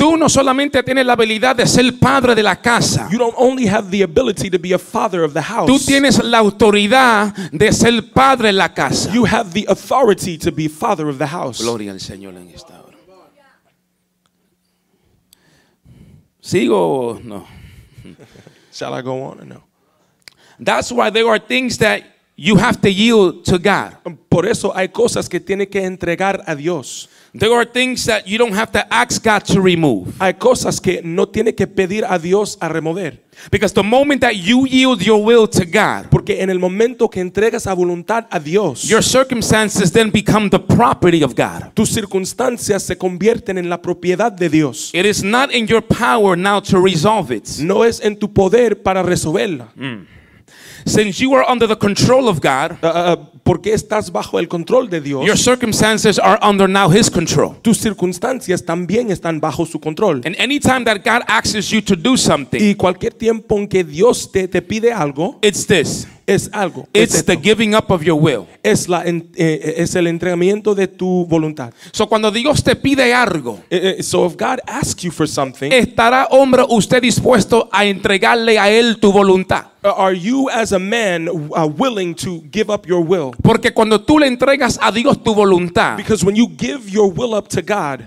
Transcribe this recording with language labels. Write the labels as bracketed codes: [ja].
[es] Tú no solamente tienes la habilidad de ser padre de la casa. [en] You don't only have the ability to be a father of the house. [es] Tú tienes la autoridad de ser padre de la casa. [en] You have the authority to be father of the house. [es] Gloria al Señor en esta hora. Sigo, no. [en] Shall I go on or no? That's why there are things that you have to yield to God. [es] Por eso hay cosas que tiene que entregar a Dios. [en] There are things that you don't have to ask God to remove. [es] Hay cosas que no tiene que pedir a Dios a remover. [en] Because the moment that you yield your will to God, [es] porque en el momento que entregas a voluntad a Dios, [en] your circumstances then become the property of God. [es] Tus circunstancias se convierten en la propiedad de Dios. [en] It is not in your power now to resolve it. [es] No es en tu poder para resolverla. [en] Since you are under the control of God, [es] porque estás bajo el control de Dios, [en] your circumstances are under now His control. [es] Tus circunstancias también están bajo su control. [en] And any time that God asks you to do something, [es] y cualquier tiempo en que Dios te pide algo, [en] it's this. [es] Es algo. [en] It's the giving up of your will. [es] Es la es el entregamiento de tu voluntad. So cuando Dios te pide algo, [en] so if God asks you for something, [es] ¿estará hombre usted dispuesto a entregarle a él tu voluntad? [en] Are you as a man willing to give up your will? [es] Porque cuando tú le entregas a Dios tu voluntad, [en] because when you give your will up to God,